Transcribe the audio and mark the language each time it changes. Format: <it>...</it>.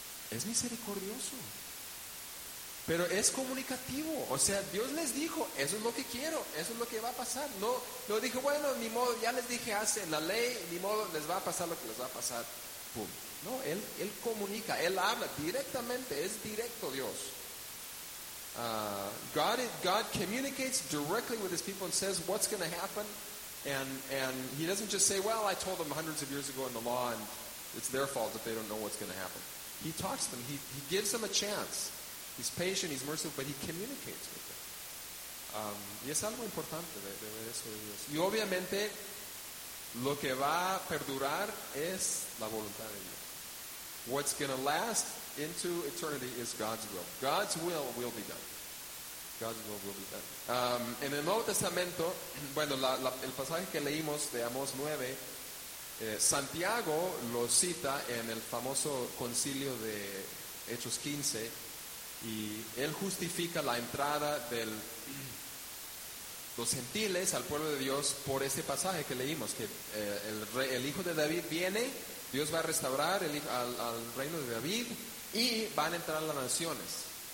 <es>Es misericordioso. Pero es comunicativo. O sea, Dios les dijo, eso es lo que quiero, eso es lo que va a pasar. No dijo, bueno, ni modo, ya les dije hace la ley, ni modo, les va a pasar lo que les va a pasar. Pum. No, él comunica, él habla directamente, es directo Dios.</es> <en>God communicates directly with his people and says what's going to happen. And he doesn't just say, well, I told them hundreds of years ago in the law and it's their fault that they don't know what's going to happen. He talks to them, he gives them a chance. He's patient, he's merciful, but he communicates with them.</en> <es>Y es algo importante de ver eso de Dios. Y obviamente, lo que va a perdurar es la voluntad de Dios.</es> <en>What's going to last into eternity is God's will. God's will be done. God's will be done.</en> <es>En el Nuevo Testamento, bueno, el pasaje que leímos de Amós 9, Santiago lo cita en el famoso concilio de Hechos 15, y él justifica la entrada de los gentiles al pueblo de Dios por este pasaje que leímos, que el hijo de David viene, Dios va a restaurar al reino de David y van a entrar las naciones.</es>